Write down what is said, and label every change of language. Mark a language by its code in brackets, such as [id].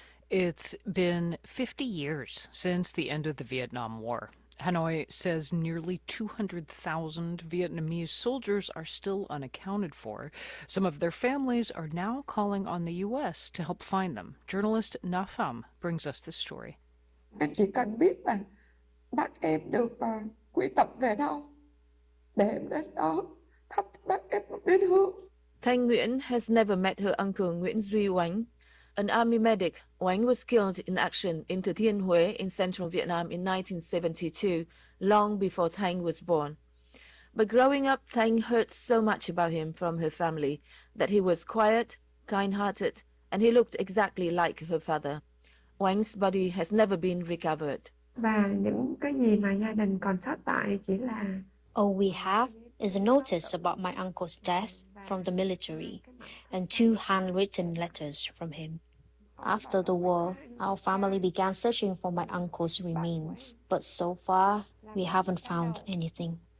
[en] It's been 50 years since the end of the Vietnam War. Hanoi says nearly 200,000 Vietnamese soldiers are still unaccounted for. Some of their families are now calling on the U.S. to help find them. Journalist Na Pham brings us this story. [vi] Em chỉ cần biết là bác em được quy tập về đâu để em đến đó thắp cho bác em một nén hương. [en] Thanh Nguyễn has never met her uncle Nguyễn Duy Oánh. An army medic, Oánh was killed in action in Thừa Thiên Huế in central Vietnam in 1972, long before Thanh was born. But growing up, Thanh heard so much about him from her family that he was quiet, kind-hearted, and he looked exactly like her father. Oánh's body has never been recovered. [vi] Và những cái gì mà gia đình còn sót lại chỉ là... [en] All we have is a notice about my uncle's death from the military, and two handwritten letters from him. After the war, our family began searching for my uncle's remains, but so far, we haven't found anything.